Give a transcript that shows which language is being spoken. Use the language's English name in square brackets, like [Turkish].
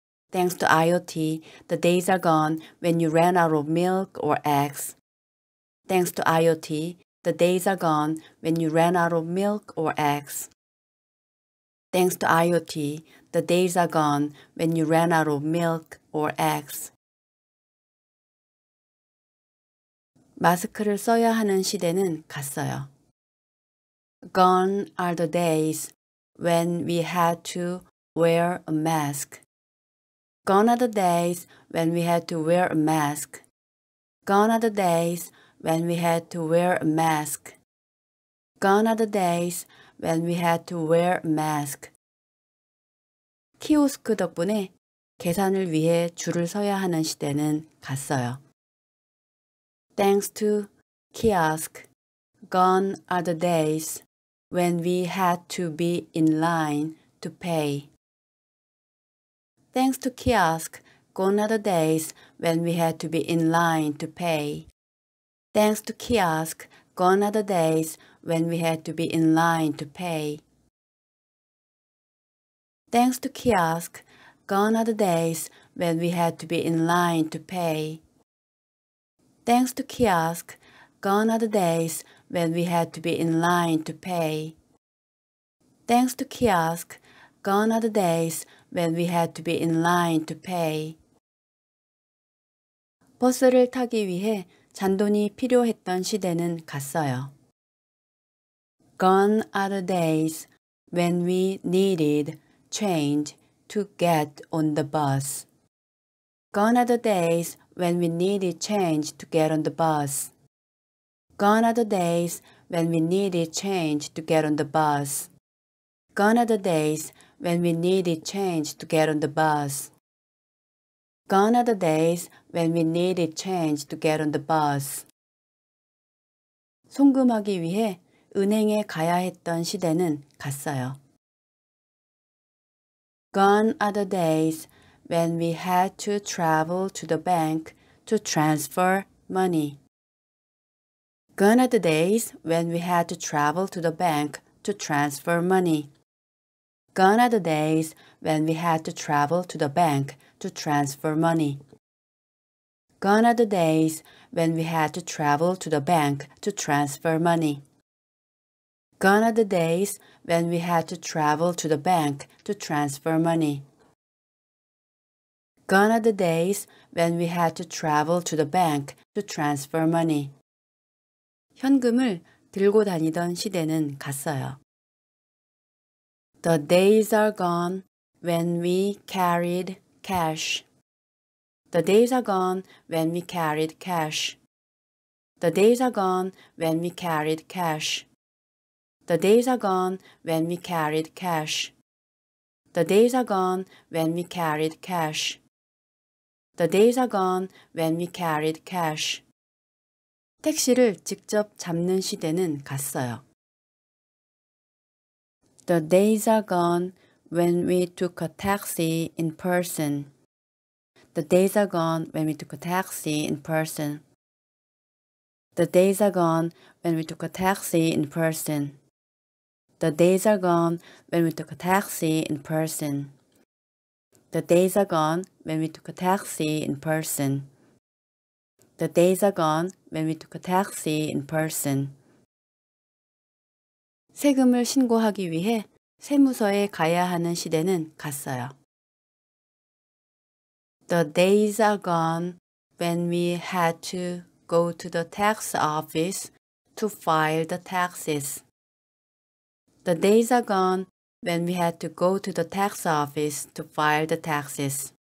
[English] Thanks to IoT, the days are gone when you ran out of milk or eggs. Thanks to IoT, the days are gone when you ran out of milk or eggs. Thanks to IoT, the days are gone when you ran out of milk or eggs. [Korean] 마스크를 써야 하는 시대는 갔어요. [English] Gone are the days when we had to wear a mask. Gone are the days when we had to wear a mask. Gone are the days when we had to wear a mask. Gone are the days when we had to wear a mask. [Korean] 키오스크 덕분에 계산을 위해 줄을 서야 하는 시대는 갔어요. [English] Thanks to kiosk, gone are the days when we had to be in line to pay. Thanks to kiosk, gone are the days when we had to be in line to pay. Thanks to kiosk, gone are the days when we had to be in line to pay. Thanks to kiosk, gone are the days when we had to be in line to pay. Thanks to kiosk, gone are the days when we had to be in line to pay. Thanks to kiosk, gone are the days when we had to be in line to pay. [Korean] 버스를 타기 위해 잔돈이 필요했던 시대는 갔어요. [English] Gone are the days when we needed change to get on the bus. Gone are the days when we needed change to get on the bus. Gone are the days when we needed change to get on the bus. Gone are the days when we needed change to get on the bus. Gone are the days when we needed change to get on the bus. [Korean] 송금하기 위해 은행에 가야 했던 시대는 갔어요. [English] Gone are the days when we had to travel to the bank to transfer money. Gone are the days when we had to travel to the bank to transfer money. Gone are the days when we had to travel to the bank to transfer money. Gone are the days when we had to travel to the bank to transfer money. Gone are the days when we had to travel to the bank to transfer money. Gone are the days when we had to travel to the bank to transfer money. [Korean] 현금을 들고 다니던 시대는 갔어요. [English] The days are gone when we carried cash. The days are gone when we carried cash. The days are gone when we carried cash. The days are gone when we carried cash. The days are gone when we carried cash. The days are gone when we carried cash. [Korean] 택시를 직접 잡는 시대는 갔어요. [English] The days are gone when we took a taxi in person. The days are gone when we took a taxi in person. The days are gone when we took a taxi in person. The days are gone when we took a taxi in person. The days are gone when we took a taxi in person. The days are gone when we took a taxi in person. [Korean] 세금을 신고하기 위해 세무서에 가야 하는 시대는 갔어요. [English] The days are gone when we had to go to the tax office to file the taxes. The days are gone when we had to go to the tax office to file the taxes.